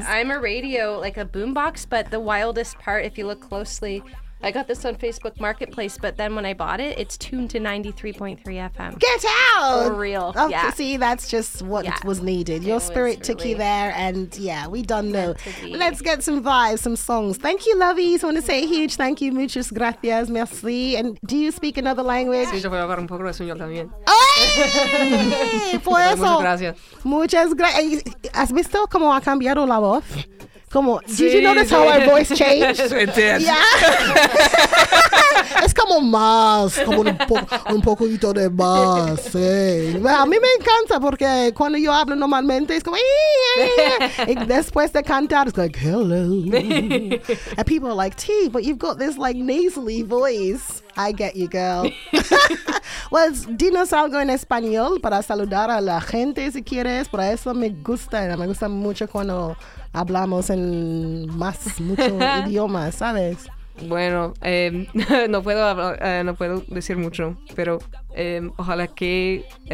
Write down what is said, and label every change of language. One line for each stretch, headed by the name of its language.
English: But I'm a radio, like a boombox, but the wildest part, if you look closely, I got this on Facebook Marketplace, but then when I bought it, it's tuned to 93.3 FM. Get out! For real. Oh, yeah. See, that's just what was needed. Your spirit took you there, and yeah, we done know. Let's get some vibes, some songs. Thank you, lovies. I want to say a huge thank you.
Spanish: Muchas gracias.
English: Merci. And do you speak another language?
Spanish: Sí, yo voy a hablar un poco de español también. Por eso. Muchas gracias. Muchas gracias. ¿Has visto cómo ha cambiado la voz?
English: Come on. Did you notice how our voice changed? It did.
Spanish: Yeah. Es como más. Como un poquito de más. Sí. Well, a mí me encanta porque cuando yo hablo normalmente es como. Y después de cantar es
English: like, hello. And people are like, T, but you've got this like nasally voice. I get you, girl.
Spanish: Well, dinos algo en español para saludar a la gente si quieres. Por eso me gusta mucho cuando hablamos en más mucho idioma, ¿sabes? Bueno, no puedo hablar, no puedo decir mucho, pero ojalá que